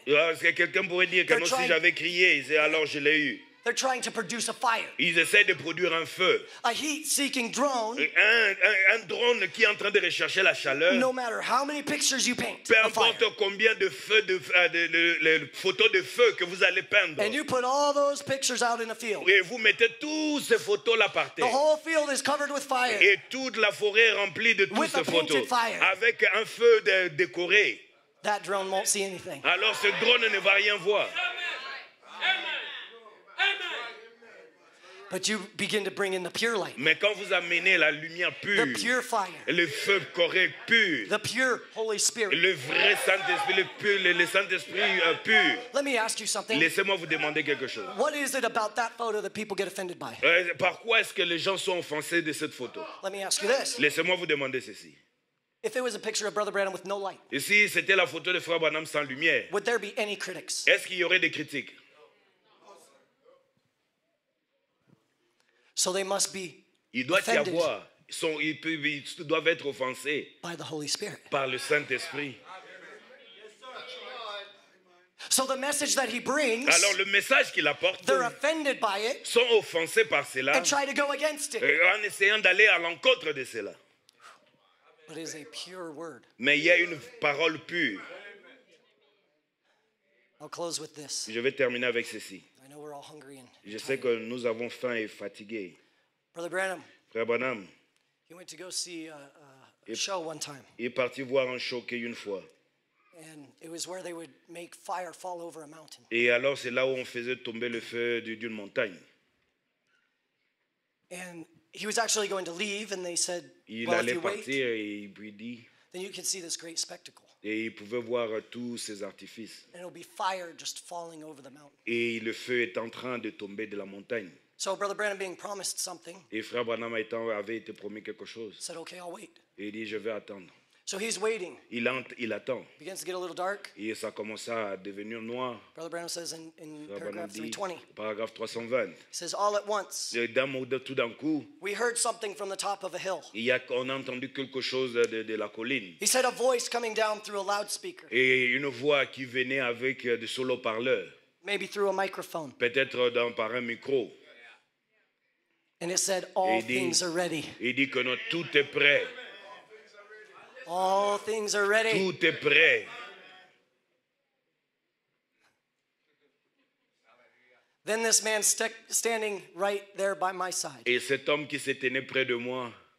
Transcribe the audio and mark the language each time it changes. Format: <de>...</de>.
<fr>Parce que quelqu'un pourrait dire que non, si j'avais crié, alors je l'ai eu.</fr> <en>They're trying to produce a fire.</en> <fr>Ils essaient de produire un feu.</fr> <en>A heat-seeking drone.</en> <fr>Un drone qui est en train de rechercher la chaleur.</fr> <en>No matter how many pictures you paint.</en> <fr>Peu importe combien de feux de photos de feu que vous allez peindre.</fr> <en>And you put all those pictures out in a field.</en> <fr>Et vous mettez toutes ces photos là par terre.</fr> <en>The whole field is covered with fire.</en> <fr>Et toute la forêt est remplie de toutes ces photos.</fr> <en>With a painted fire.</en> <fr>Avec un feu décoré.</fr> <en>That drone won't see anything.</en> <fr>Alors ce drone ne va rien voir.</fr> <en>But you begin to bring in the pure light.</en> <fr>Mais quand vous amenez la lumière pure,</fr> <en>the pure fire,</en> <fr>le feu correct pur,</fr> <en>the pure Holy Spirit,</en> <fr>le vrai Saint-Esprit, le Saint-Esprit pur.</fr> <en>Let me ask you something.</en> <fr>Laissez-moi vous demander quelque chose.</fr> <en>What is it about that photo that people get offended by?</en> <fr>Par quoi est-ce que les gens sont offensés de cette photo?</fr> <en>Let me ask you this.</en> <fr>Laissez-moi vous demander ceci.</fr> <en>If it was a picture of Brother Branham with no light,</en> <fr>et si c'était la photo de Frère Branham sans lumière,</fr> <en>would there be any critics?</en> <fr>Est-ce qu'il y aurait des critiques?</fr> <en>So they must be</en> <fr>il doit</fr> <en>offended</en> <fr>y avoir, ils doivent être offensés</fr> <en>by the Holy Spirit.</en> <fr>Par le Saint-Esprit.</fr> <en>So the message that he brings,</en> <fr>alors le message qu'il apporte,</fr> <en>they're offended by it,</en> <fr>sont offensés par cela,</fr> <en>and try to go against it.</en> <fr>En essayant d'aller à l'encontre de cela.</fr> <en>But it is a pure word.</en> <fr>Mais il y a une parole pure.</fr> <en>I'll close with this.</en> <fr>Je vais terminer avec ceci.</fr> <en>I know we're all hungry and</en> <fr>je sais que nous avons faim et fatigués.</fr> <en>Brother Branham,</en> <fr>Frère Branham,</fr> <en>he went to go see a show one time.</en> <fr>Il est parti voir un show une fois.</fr> <en>And it was where they would make fire fall over a mountain.</en> <fr>Et alors c'est là où on faisait tomber le feu d'une montagne.</fr> <en>And he was actually going to leave, and they said,</en> <fr>il</fr> <en>"Well,</en> <fr>allait</fr> <en>if you</en> <fr>partir,</fr> <en>wait,</en> <fr>et il lui dit,</fr> <en>then you can see this great spectacle."</en> <fr>Et il pouvait voir tous ces artifices.</fr> <en>And it'll be fire just falling over the mountain.</en> <fr>Et le feu est en train de tomber de la montagne.</fr> <en>So Brother Branham being promised something.</en> <fr>Et Frère Branham avait été promis quelque chose.</fr> <en>Said, "Okay, I'll wait."</en> <fr>Et il dit, je vais attendre.</fr> <en>So he's waiting.</en> <fr>Il attend.</fr> <en>Begins to get a little dark.</en> <fr>Et ça commence à devenir noir.</fr> <en>Brother Branham says in paragraph 320. He says, all at once.</en> <fr>Et d'un mot, tout d'un coup.</fr> <en>We heard something from the top of a hill.</en> <fr>On a entendu quelque chose de la colline.</fr> <en>He said a voice coming down through a loudspeaker.</en> <fr>Et une voix qui venait avec des solo parleurs.</fr> <en>Maybe through a microphone.</en> <fr>Peut-être par un micro.</fr> <en>And it said, all things are ready.</en> <fr>Il dit que non, tout est prêt.</fr> <en>All things are ready.</en> <fr>Tout est prêt.</fr> <en>Then this man standing right there by my side.</en> <fr>Et cet homme qui se tenait près de moi.</fr>